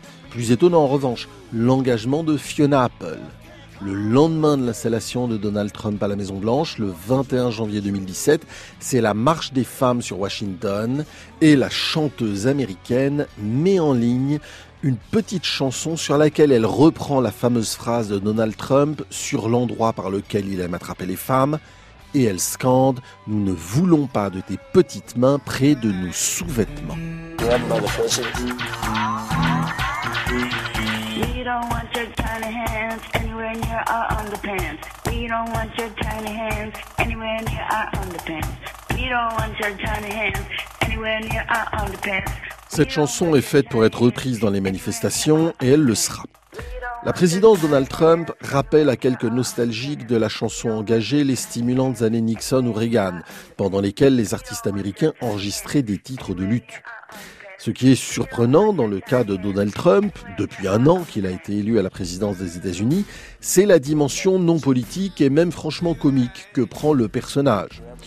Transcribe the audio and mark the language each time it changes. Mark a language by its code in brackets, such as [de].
[fr] Plus étonnant en revanche, l'engagement de Fiona Apple. Le lendemain de l'installation de Donald Trump à la Maison Blanche, le 21 janvier 2017, c'est la marche des femmes sur Washington et la chanteuse américaine met en ligne une petite chanson sur laquelle elle reprend la fameuse phrase de Donald Trump sur l'endroit par lequel il aime attraper les femmes et elle scande « Nous ne voulons pas de tes petites mains près de nos sous-vêtements ». [en] We don't want your tiny hands anywhere near our underpants. We don't want your tiny hands anywhere near our underpants. We don't want your tiny hands anywhere near our underpants. [fr] Cette chanson est faite pour être reprise dans les manifestations et elle le sera. La présidence Donald Trump rappelle à quelques nostalgiques de la chanson engagée les stimulantes années Nixon ou Reagan, pendant lesquelles les artistes américains enregistraient des titres de lutte. Ce qui est surprenant dans le cas de Donald Trump, depuis un an qu'il a été élu à la présidence des États-Unis, c'est la dimension non politique et même franchement comique que prend le personnage.